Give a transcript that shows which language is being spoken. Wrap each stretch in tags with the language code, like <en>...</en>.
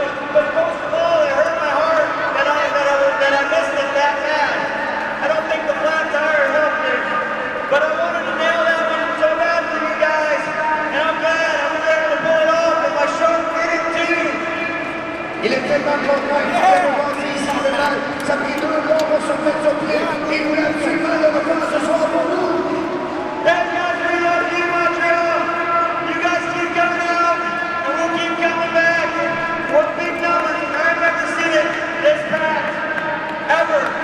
<en>But most of all, it hurt my heart that I missed it that bad. I don't think the flat tire helped me. But I wanted to nail that one so bad for you guys. And I'm glad I was able to pull it off, and my shark did it too.</en> <fr>Il est tellement content, il est tellement content ici, le mal. Ça a pris 2 mois pour se mettre sur pied. Et il voulait absolument le record ce soir pour nous.</fr> <en>Thank God, we love you, Montreal. You guys keep coming out, and we'll keep coming back. What big numbers, I've never seen it this packed, ever.</en>